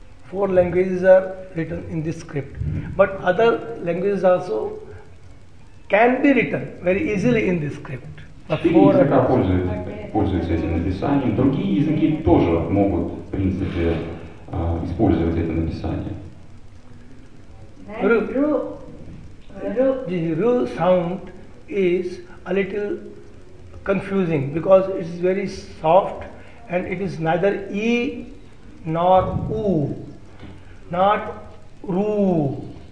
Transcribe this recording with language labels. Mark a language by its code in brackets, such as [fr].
[en] Four languages are written in this script, but other languages also can be written very easily in this script. [ru] Четыре языка пользуются этим написанием. Другие языки тоже могут, в принципе, использовать это написание. Ru. Ru. Ru. [en] The Ru sound is a little confusing because it is very soft and it is neither E nor U, not Ru.